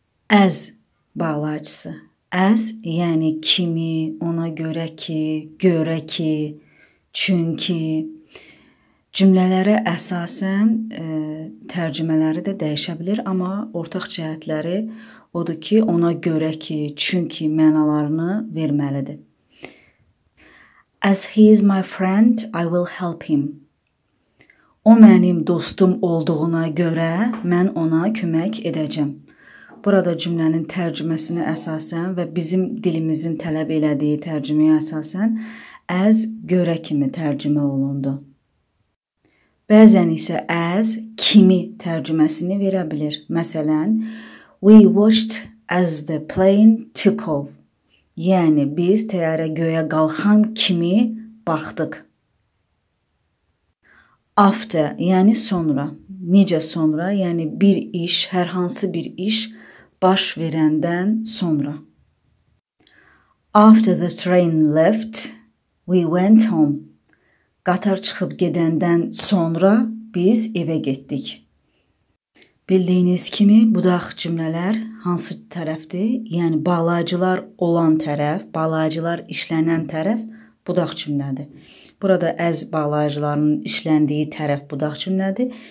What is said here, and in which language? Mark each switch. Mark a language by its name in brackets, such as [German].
[Azerbaijani] As bağlayıcısı. As yəni kimi, ona görə ki, görə ki, çünki. Cümlələrə əsasən tərcümələri də dəyişə bilir, amma ortaq cəhətləri odur ki, ona görə ki, çünki mənalarını verməlidir. [English] As he is my friend, I will help him. [Azerbaijani] O mənim dostum olduğuna görə mən ona kömək edəcəm. Burada cümlənin tərcüməsinə əsasən və bizim dilimizin tələb elədiyi tərcüməyə əsasən as görə kimi tərcümə olundu. Bəzən isə as kimi tərcüməsini verə bilər. Məsələn, [English] we watched as the plane took off. [Azerbaijani] Yəni, biz təyyarə göyə qalxan kimi baxdıq. After, yəni sonra. Necə sonra? Yəni, bir iş, hər hansı bir iş baş verəndən sonra. [English] After the train left, we went home. [Azerbaijani] Qatar çıxıb gedəndən sonra biz evə getdik. Bildiyiniz kimi, budaq cümlələr hansı tərəfdir? Yəni, bağlayıcılar olan tərəf, bağlayıcılar işlənən tərəf budaq cümlədir. Burada əz bağlayıcılarının işləndiyi tərəf budaq cümlədir.